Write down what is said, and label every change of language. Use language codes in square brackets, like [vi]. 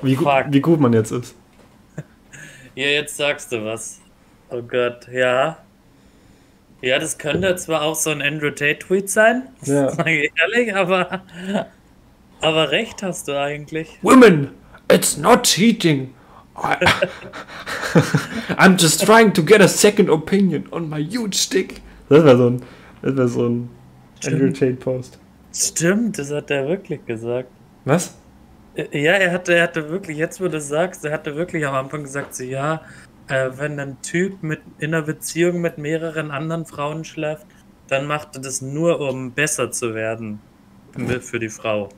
[de] wie gut man jetzt ist. Ja, jetzt sagst du was. Oh Gott, ja. Ja, das könnte zwar auch so ein Andrew Tate-Tweet sein, sage ich ehrlich, aber recht hast du eigentlich. [en] Women, it's not cheating. I'm just trying to get a second opinion on my huge dick. [de] Das war so ein Andrew Tate-Post. Stimmt, das hat er wirklich gesagt. Was? Ja, er hatte wirklich, jetzt wo du sagst, er hatte wirklich am Anfang gesagt, so, ja, wenn ein Typ in einer Beziehung mit mehreren anderen Frauen schläft, dann macht er das nur, um besser zu werden für die Frau.